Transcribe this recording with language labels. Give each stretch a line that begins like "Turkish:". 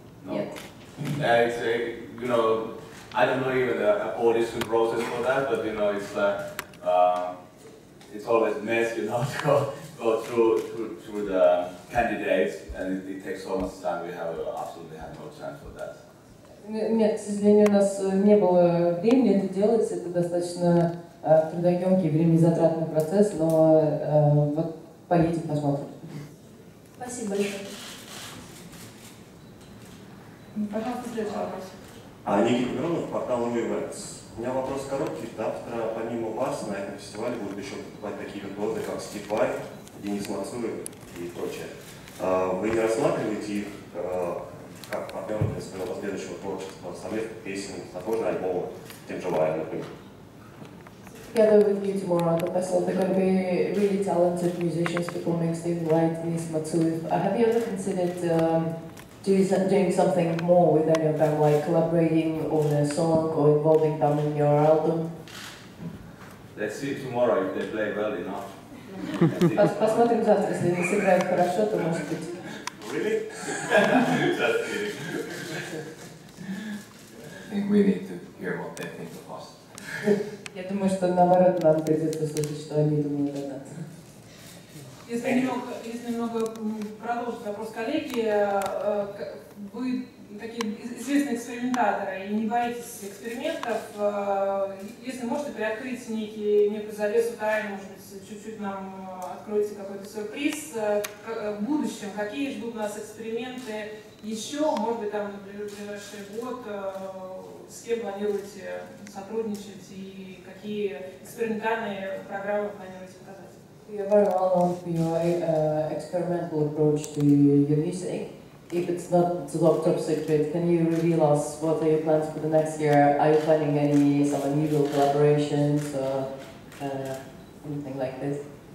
English: Yet. It's a, you know, I don't know even the audition process for that, but you know, it's like it's always a mess, you know, to go through the candidates, and it takes so much time. We absolutely have no chance for that.
Russian: Нет, к сожалению, у нас не было времени это делать. Это достаточно трудоемкий, времязатратный процесс, но вот поедем, посмотрим. Спасибо большое. Пожалуйста, следующий вопрос. Никита Миронов, портал Умивэкс. У меня вопрос короткий. Завтра, помимо вас, на этом фестивале будут еще выступать такие виртуозы, как Стив Вай, Денис Мацуев и прочее. Вы не рассматриваете их как партнеры для своего следующего творчества, совместных песен, того же альбома, тем же Вай, например?
English: Together with you tomorrow at the festival, they're going to be really talented musicians performing Steve White, Denise Matsuev. Have you ever considered doing something more with any of them, like collaborating on a song or involving them in your album? Let's see tomorrow if they play well enough.
Russian: Посмотрим завтра, если они сыграют хорошо, то может быть.
English: Really? Just kidding. I think we need to hear what they think of us.
Russian: Я думаю, что наоборот, нам придется слышать, что они думают о нас. Если немного продолжить вопрос коллеги, вы такие известные экспериментаторы и не боитесь экспериментов, если можете приоткрыть некую завесу тайны, может быть, чуть-чуть нам откроете какой-то сюрприз в будущем, какие ждут нас эксперименты еще, может быть, там, например, в ближайший год, с кем планируете сотрудничать и какие экспериментальные программы планируете показать?
English: We are very well known for your experimental approach to your music. If it's not the top secret, can you reveal us what are your plans for the next year? Are you planning some unusual collaborations or anything like this?